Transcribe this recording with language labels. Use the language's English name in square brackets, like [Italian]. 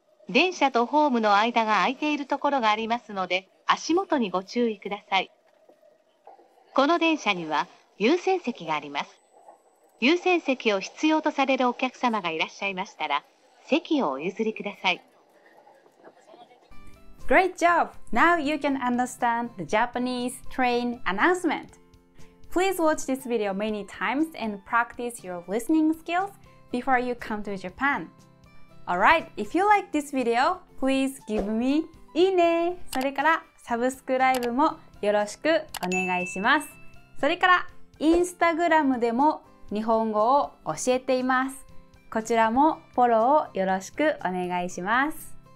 [Japanese] 電車とホームの間が空いているところがありますので、足元にご注意ください。この電車には優先席があります。優先席を必要とされるお客様がいらっしゃいましたら、席をお譲りください。 [English] Great job! Now you can understand the Japanese train announcement. Please watch this video many times and practice your listening skills before you come to Japan. Alright, if you like this video, please give me [Japanese] いいね。それからサブスクライブもよろしくお願いします。それからインスタグラムでも日本語を教えています。こちらもフォローをよろしくお願いします。